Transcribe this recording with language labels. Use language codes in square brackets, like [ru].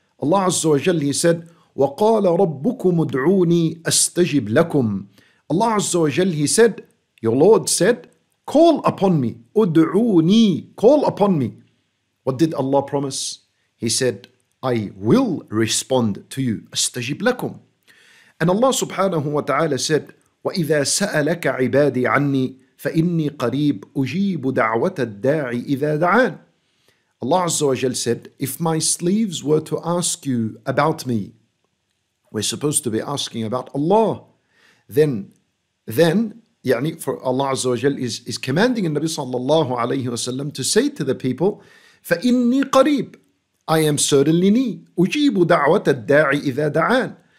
[en] Allah azza wa jalla, he said, [ar] وَقَالَ رَبُّكُمُ ادْعُونِي أَسْتَجِبْ لَكُمْ. [en] Allah azza wa jalla, he said, your Lord said, Call upon me. Udu'uni. Call upon me. What did Allah promise? He said, I will respond to you. [ar] Astajib lakum. [en] And Allah subhanahu wa ta'ala said, [ar] وَإِذَا سَأَلَكَ عِبَادِي عَنِّي فَإِنِّي قَرِيبُ أُجِيبُ دَعْوَةَ الدَّاعِ إِذَا دَعَانِ. [en] Allah Azza wa Jal said, if my slaves were to ask you about me, we're supposed to be asking about Allah, then يعني for Allah Azza wa Jal is commanding the Nabi sallallahu alayhi wa sallam to say to the people, [ar] فَإِنِّي قَرِيبُ [en] I am certainly ni [ar] أُجِيبُ دَعْوَةَ الدَّاعِ إِذَا دَعَانِ.